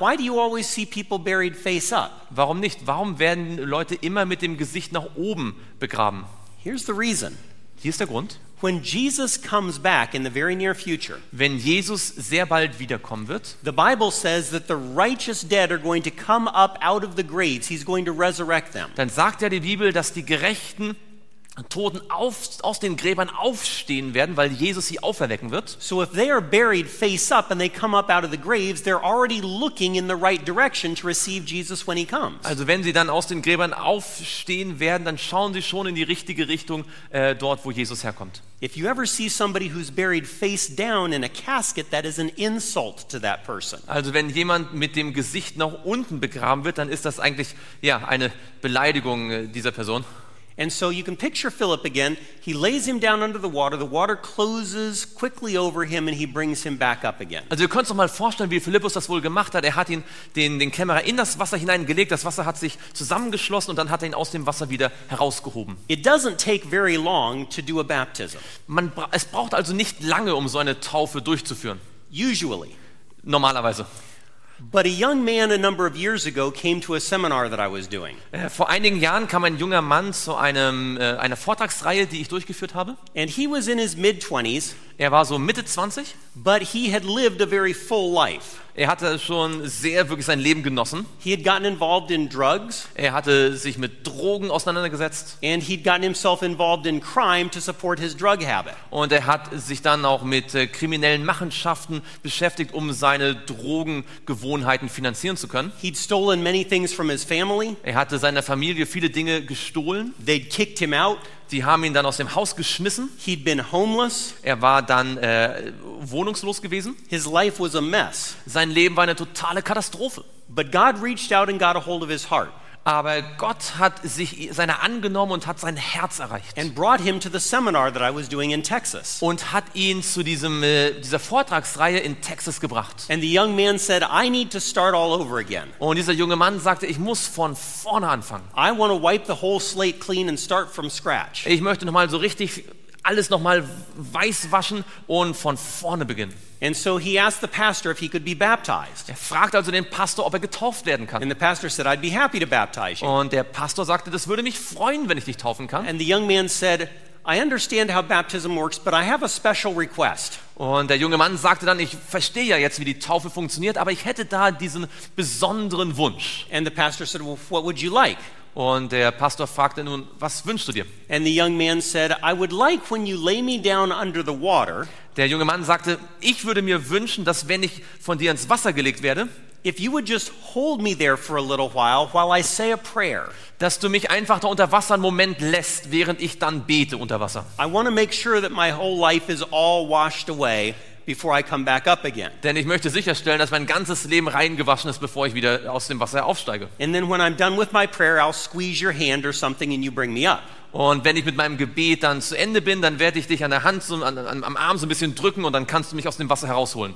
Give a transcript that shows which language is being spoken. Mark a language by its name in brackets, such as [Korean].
[English] Why do you always see people buried face up? [German] Warum nicht? Warum werden Leute immer mit dem Gesicht nach oben begraben? [English] Here's the reason. [German] Hier ist der Grund. [English] When Jesus comes back in the very near future. [German] Wenn Jesus sehr bald wiederkommen wird. [English] The Bible says that the righteous dead are going to come up out of the graves. He's going to resurrect them. [German] Dann sagt ja die Bibel, dass die Gerechten Toten aus den Gräbern aufstehen werden, weil Jesus sie auferwecken wird. [English] So if they are buried face up and they come up out of the graves, they're already looking in the right direction to receive Jesus when he comes. [German] Also wenn sie dann aus den Gräbern aufstehen werden, dann schauen sie schon in die richtige Richtung, dort wo Jesus herkommt. [English] If you ever see somebody who's buried face down in a casket, that is an insult to that person. [German] Also wenn jemand mit dem Gesicht nach unten begraben wird, dann ist das eigentlich ja eine Beleidigung dieser Person. [English] And so you can picture Philip again. He lays him down under the water. The water closes quickly over him and he brings him back up again. [German] Also, ihr könnt euch mal vorstellen, wie Philippus das wohl gemacht hat. Er hat ihn den Kämmerer in das Wasser hineingelegt. Das Wasser hat sich zusammengeschlossen und dann hat er ihn aus dem Wasser wieder herausgehoben. [English] It doesn't take very long to do a baptism. [German] Es braucht also nicht lange, um so eine Taufe durchzuführen. [English] Usually. [German] Normalerweise. [English] But a young man a number of years ago came to a seminar that I was doing. [German] Vor einigen Jahren kam ein junger Mann zu einer Vortragsreihe, die ich durchgeführt habe. [English] And he was in his mid-20s. [German] Er war so Mitte 20. [English] But he had lived a very full life. [German] Er hatte schon sehr wirklich sein Leben genossen. [English] He had gotten involved in drugs. [German] Er hatte sich mit Drogen auseinandergesetzt. [English] And he'd gotten himself involved in crime to support his drug habit. [German] Und er hat sich dann auch mit kriminellen Machenschaften beschäftigt, um seine Drogengewohnheiten finanzieren zu können. [English] He'd stolen many things from his family. [German] Er hatte seiner Familie viele Dinge gestohlen. [English] They'd kicked him out. [German] Die haben ihn dann aus dem Haus geschmissen. [English] He'd been homeless. [German] Er war dann wohnungslos gewesen. [English] His life was a mess. [German] Sein Leben war eine totale Katastrophe. [English] But God reached out and got a hold of his heart. [German] Aber Gott hat sich seiner angenommen und hat sein Herz erreicht. [English] And brought him to the seminar that I was doing in Texas. [German] Und hat ihn zu dieser Vortragsreihe in Texas gebracht. [English] And the young man said, I need to start all over again. [German] Und dieser junge Mann sagte, ich muss von vorne anfangen. [English] I want to wipe the whole slate clean and start from scratch. [German] Ich möchte nochmal so richtig alles nochmal weiß waschen und von vorne beginnen. [English] And so he asked the pastor if he could be baptized. [German] Er fragt also den Pastor, ob er getauft werden kann. [English] And the pastor said, I'd be happy to baptize you. [German] Und der Pastor sagte, das würde mich freuen, wenn ich dich taufen kann. [English] And the young man said, I understand how baptism works, but I have a special request. [German] Und der junge Mann sagte dann, ich verstehe ja jetzt, wie die Taufe funktioniert, aber ich hätte da diesen besonderen Wunsch. [English] And the pastor said, well, what would you like? [German] Und der Pastor fragte nun, was wünschst du dir? [English] And the young man said, I would like when you lay me down under the water. [German] Der junge Mann sagte, ich würde mir wünschen, dass wenn ich von dir ins Wasser gelegt werde, [English] if you would just hold me there for a little while I say a prayer. [German] Dass du mich einfach da unter Wasser einen Moment lässt, während ich dann bete unter Wasser. [English] I want to make sure that my whole life is all washed away before I come back up again. [German] Denn ich möchte sicherstellen, dass mein ganzes Leben reingewaschen ist, bevor ich wieder aus dem Wasser aufsteige. [English] And then when I'm done with my prayer, I'll squeeze your hand or something and you bring me up. [German] Und wenn ich mit meinem Gebet dann zu Ende bin, dann werde ich dich an der Hand, am Arm so ein bisschen drücken und dann kannst du mich aus dem Wasser herausholen.